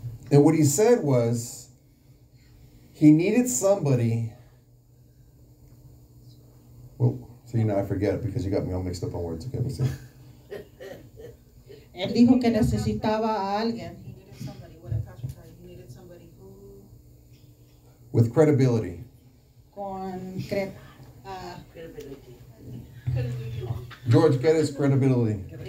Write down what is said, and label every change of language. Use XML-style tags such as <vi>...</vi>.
<en>And what he said was, he needed somebody. Well, see, now I forget because you got me all mixed up on words. Okay, let me see.</en> <es>Él dijo que necesitaba a alguien.</es> <en>He needed somebody. What did Pastor tell you? He needed somebody who. With credibility.</en> <es>Con</es> <en>credibility. George, get his credibility.</en>